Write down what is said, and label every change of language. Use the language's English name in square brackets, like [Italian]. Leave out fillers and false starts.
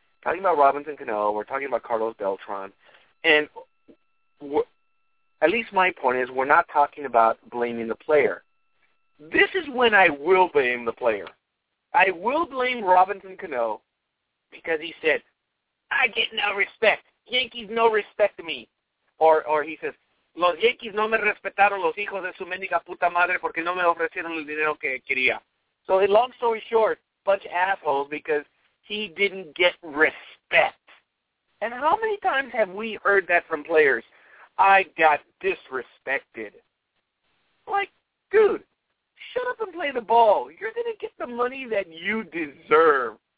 [English] Talking about Robinson Cano, we're talking about Carlos Beltran, and at least my point is we're not talking about blaming the player. This is when I will blame the player. I will blame Robinson Cano because he said, I get no respect. Yankees no respect me. Or he says, [Spanish] los Yankees no me respetaron los hijos de su mendiga puta madre porque no me ofrecieron el dinero que quería. [English] So long story short, bunch of assholes because he didn't get respect. And how many times have we heard that from players? I got disrespected. Like, dude, shut up and play the ball. You're going to get the money that you deserve.